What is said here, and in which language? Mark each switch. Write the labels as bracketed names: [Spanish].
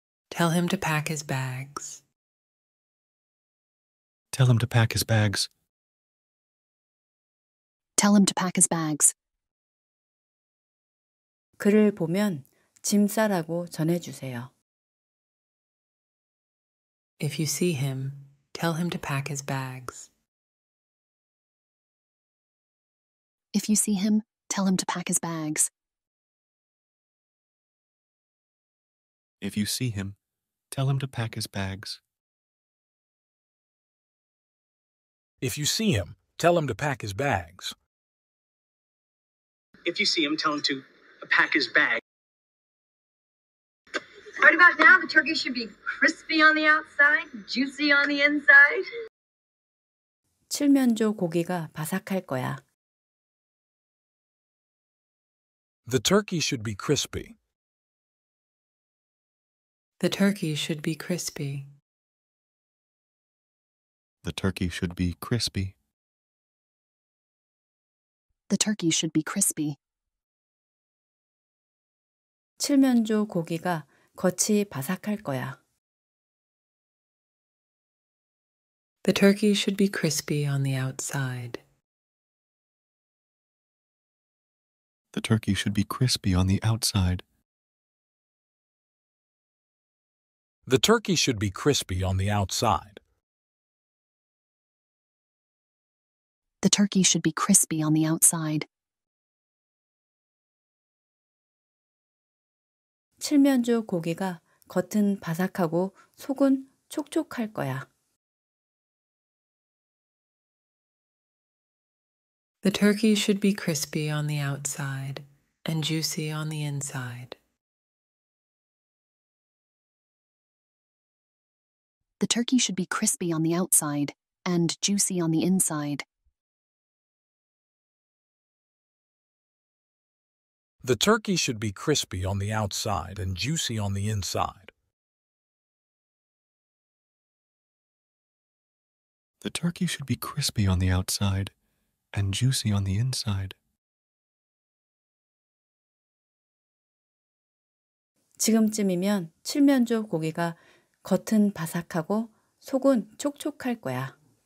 [English] Tell him to pack his bags. Tell him to pack his bags. Tell him to pack his bags. [Korean] 그를 보면 짐 싸라고 전해주세요. [English] If you see him, tell him to pack his bags. If you see him, tell him to pack his bags. If you see him, tell him to pack his bags. If you see him, tell him to pack his bags. If you see him, tell him to pack his bags. Right about now, the turkey should be crispy on the outside, juicy on the inside. [Korean] 칠면조 고기가 바삭할 거야. [English] The turkey should be crispy. The turkey should be crispy. The turkey should be crispy. The turkey should be crispy. [Korean] 칠면조 고기가 겉이 바삭할 거야. [English] The turkey should be crispy on the outside. The turkey should be crispy on the outside. The turkey should be crispy on the outside. The turkey should be crispy on the outside. [Korean] 칠면조 고기가 겉은 바삭하고 속은 촉촉할 거야. [English] The turkey should be crispy on the outside and juicy on the inside. The turkey should be crispy on the outside and juicy on the inside. The turkey should be crispy on the outside and juicy on the inside. The turkey should be crispy on the outside and juicy on the inside. [Korean] 지금쯤이면 칠면조 고기가 겉은 바삭하고 속은 촉촉할 거야.